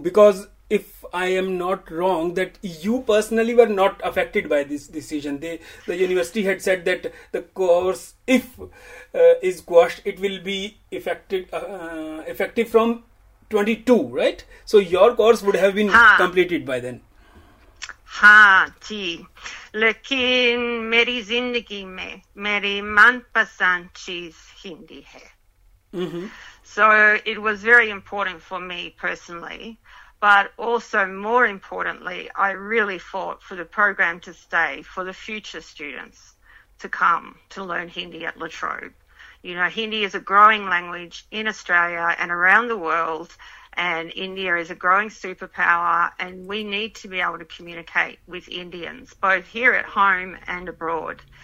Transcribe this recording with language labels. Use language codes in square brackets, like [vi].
[en] Because if I am not wrong, that you personally were not affected by this decision. The university had said that the course, if is quashed, it will be effective from 22, right? So your course would have been completed by then. [hi] हाँ जी, लेकिन मेरी जिंदगी में मेरी मनपसंद चीज हिंदी है. [en] So it was very important for me personally, but also more importantly, I really fought for the program to stay, for the future students to come to learn Hindi at La Trobe. You know, Hindi is a growing language in Australia and around the world, and India is a growing superpower, and we need to be able to communicate with Indians, both here at home and abroad.